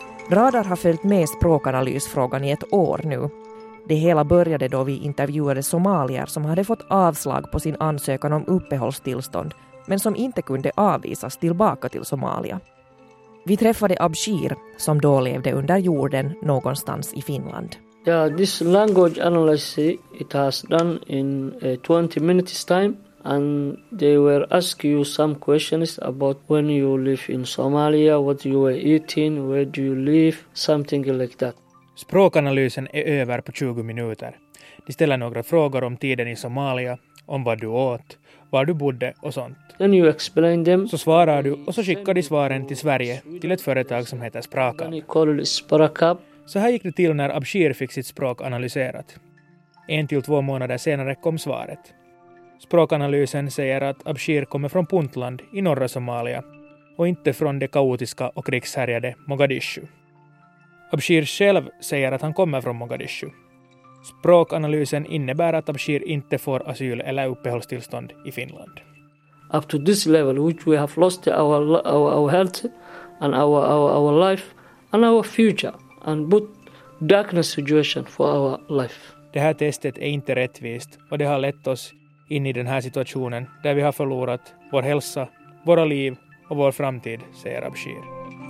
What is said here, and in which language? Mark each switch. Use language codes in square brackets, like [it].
[sv] Radar har följt med språkanalysfrågan i ett år nu. Det hela började då vi intervjuade somalier som hade fått avslag på sin ansökan om uppehållstillstånd men som inte kunde avvisas tillbaka till Somalia. Vi träffade Abshir som då levde under jorden någonstans i Finland. [en] Yeah, this language analysis it has done in 20 minutes time, and they were ask you some questions about when you live in Somalia, what you were eating, where do you live, something like that. [sv] Språkanalysen är över på 20 minuter. De ställer några frågor om tiden i Somalia, om vad du åt, var du bodde och sånt. [en] Then you explain them. [sv] Så svarar du och så skickar de svaren till Sverige, till ett företag som heter Sprakab. [en] Then you call it Sprakab. [sv] Så här gick det till när Abshir fick sitt språk analyserat. 1-2 månader senare kom svaret. Språkanalysen säger att Abshir kommer från Puntland i norra Somalia och inte från det kaotiska och krigshärjade Mogadishu. Abshir själv säger att han kommer från Mogadishu. Språkanalysen innebär att Abshir inte får asyl eller uppehållstillstånd i Finland. [en] Up to this level which we have lost our health and our life and our future. And put darkness situation for our life. [sv] Det här testet är inte rättvist och det har lett oss in i den här situationen där vi har förlorat vår hälsa, våra liv och vår framtid, säger Abshir.